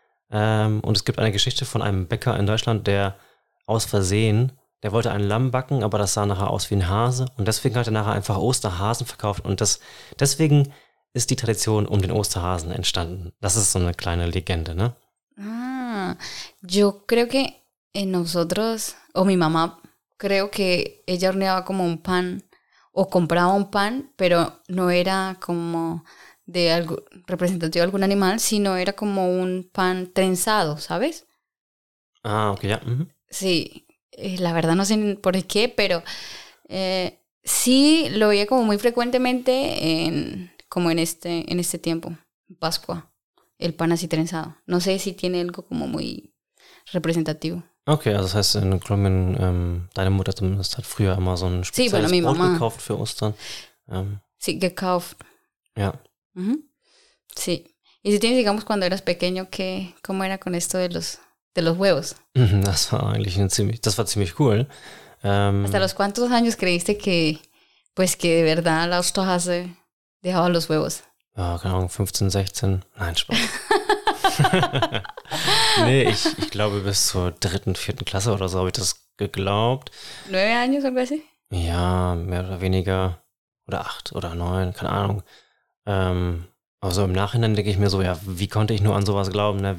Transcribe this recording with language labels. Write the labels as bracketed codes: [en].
[de] Und es gibt eine Geschichte von einem Bäcker in Deutschland, der aus Versehen, der wollte ein Lamm backen, aber das sah nachher aus wie ein Hase. Und deswegen hat er nachher einfach Osterhasen verkauft. Und das deswegen ist die Tradition um den Osterhasen entstanden. Das ist so eine kleine Legende, ne? [es] Yo creo que en nosotros, o mi mamá, creo que ella horneaba como un pan, o compraba un pan, pero no era como de algo, representativo de algún animal, sino era como un pan trenzado, ¿sabes? Ah, ok, ya. Yeah. Mm-hmm. Sí, la verdad no sé por qué, pero sí lo veía como muy frecuentemente en, como en este tiempo, en Pascua. El pan así trenzado. No sé si tiene algo como muy representativo. [de] Okay, also das heißt, in Colombian, deine Mutter zumindest hat früher immer so ein spezielles [es] sí, bueno, mi [de] Brot [es] mamá. [de] Gekauft für Ostern. [es] Sí, gekauft. [de] Ja. [es] Mm-hmm. Sí. Y si tienes, digamos, cuando eras pequeño, ¿qué, cómo era con esto de los huevos? [de] Das war eigentlich ein ziemlich, das war ziemlich cool. [es] ¿Hasta los cuántos años creíste que, pues, que de verdad la Osterhase dejaba los huevos? [de] Ja, keine Ahnung, 15, 16. Nein, Spaß. Nee, ich glaube, bis zur dritten, vierten Klasse oder so habe ich das geglaubt. [es] 9 años, oder was? [de] Ja, mehr oder weniger. Oder 8 oder 9, keine Ahnung. Aber so im Nachhinein denke ich mir so, ja, wie konnte ich nur an sowas glauben? Ne?